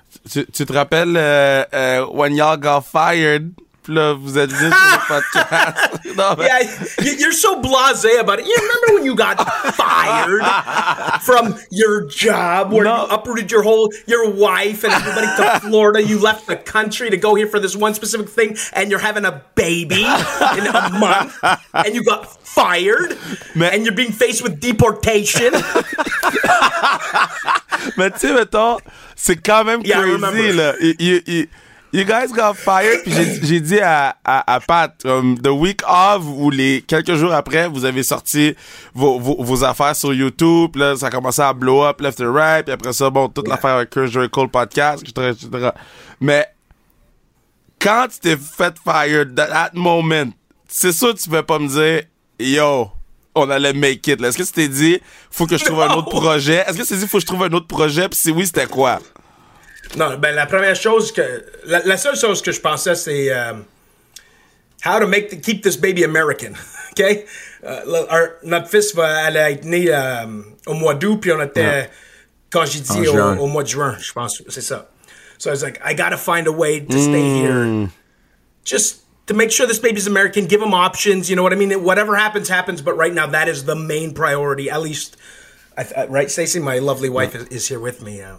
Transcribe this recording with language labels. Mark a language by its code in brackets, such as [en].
[fr] Tu te rappelles [en] when y'all got fired, [fr] puis là, vous êtes venu sur le podcast. Non, mais... [en] Yeah, you're so blasé about it. You remember when you got fired from your job where you uprooted your wife and everybody to Florida? You left the country to go here for this one specific thing, and you're having a baby in a month, and you got fired, [fr] mais... [en] and you're being faced with deportation. [fr] Mais tu sais, mettons... C'est quand même crazy, [en] yeah, [fr] là. [en] You guys got fired, [fr] puis j'ai dit à Pat, [en] the week of, [fr] ou les quelques jours après, vous avez sorti vos affaires sur YouTube, puis là, ça a commencé à [en] blow up left and right, [fr] puis après ça, bon, toute l'affaire avec Chris Jericho, le podcast, etc., etc. Mais quand tu t'es fait fired, [en] that moment, [fr] c'est sûr que tu peux pas me dire, yo, on allait make it. Là. Est-ce que tu t'es dit, faut que je trouve un autre projet? Est-ce que tu t'es dit, faut que je trouve un autre projet? Puis si oui, c'était quoi? Non, ben la première chose que. La seule chose que je pensais, c'est. [en] How to make keep this baby American. OK? [fr] Notre fils va aller être né au mois d'août, puis on était. [en] Yeah. [fr] Quand j'ai dit au mois de juin, je pense, c'est ça. [en] So I was like, I gotta find a way to stay here. Just. To make sure this baby's American, give them options, you know what I mean? Whatever happens, happens, but right now, that is the main priority, at least, right? Stacey, my lovely wife, is here with me.